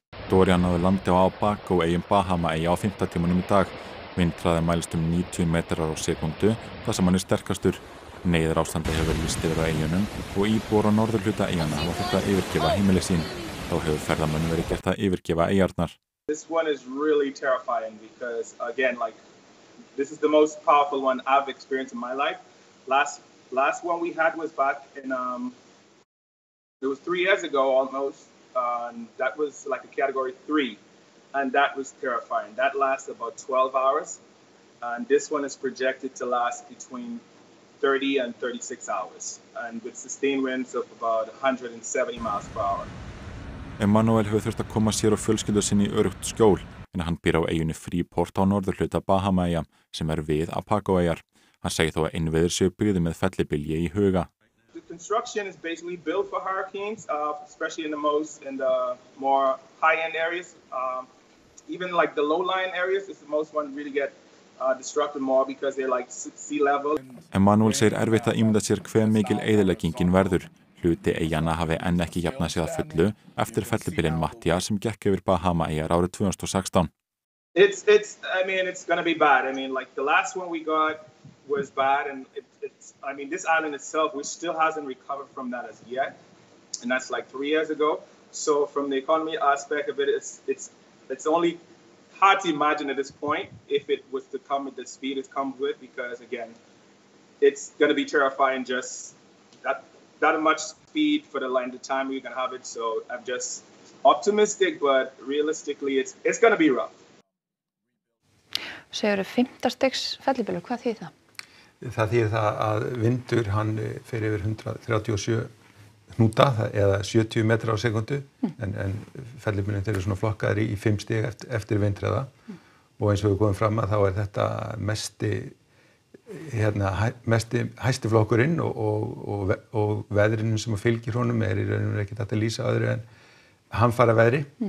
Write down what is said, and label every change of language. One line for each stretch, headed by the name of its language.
Icelandic: Dorian náði landi á Abaco og eyjum Bahamaeyja á 5. tímanum í dag. Vindhraði mælist 90 metrar á sekundu, þar sem hann sterkastur. Neyðar ástandi hefur lýst yfir á eyjunum og íbúar á norðurhluta eyjanna hafa þurft að yfirgefa heimili sín. Þá hefur ferðamönnum verið gert að yfirgefa eyjarnar.
English: This one is really terrifying because again like This is the most powerful one I've experienced in my life. Last one we had was back in it was 3 years ago almost. That was like a category 3 and that was terrifying. That lasts about 12 hours and this one is projected to last between 30 and 36 hours and with sustained winds of about 170 miles per hour.
Icelandic: Emmanuel hefur þurft að koma sér og fjölskyldu sinni í öruggt skjól. En hann býr á eyjunni Freeport á norðurhluta Bahamaeyja sem við Apago-eyjar. Hann segir þó að innviðir séu byggðir með fellibylji í huga.
English: The construction is basically built for hurricanes, especially in the more high-end areas. Even like the low-lying areas is the most one really get destructed more because they're like sea level.
Icelandic: Emmanuel segir erfitt að ímynda sér hve mikil eyðileggingin verður. Hluti eyjanna hafi enn ekki jafnað sig að fullu eftir fellibylinn Mattia sem gekk yfir Bahamaeyjar árið 2016.
English: It's going to be bad. I mean like the last one we got was bad and it's I mean this island itself we still hasn't recovered from that as yet. And that's like 3 years ago. So from the economy aspect of it it's only hard to imagine at this point if it was to come at the speed it comes with because again it's going to be terrifying just that Not much speed for the length of time you can have it, so I'm just optimistic, but realistically it's going to be rough.
Icelandic: Segir þú 5. stigs fellibylur, hvað þýðir það? Það þýðir það að vindur hann fer yfir 137 hnúta eða 70 metra á sekundu, en fellibylurinn þeir eru svona flokkaðir í 5 stig eftir vindhraða. Og eins og við komum fram að þá þetta hæsti flokkurinn og veðrinum sem fylgir honum í raun og veru ekkert að lýsa öðru en hamfara veðri.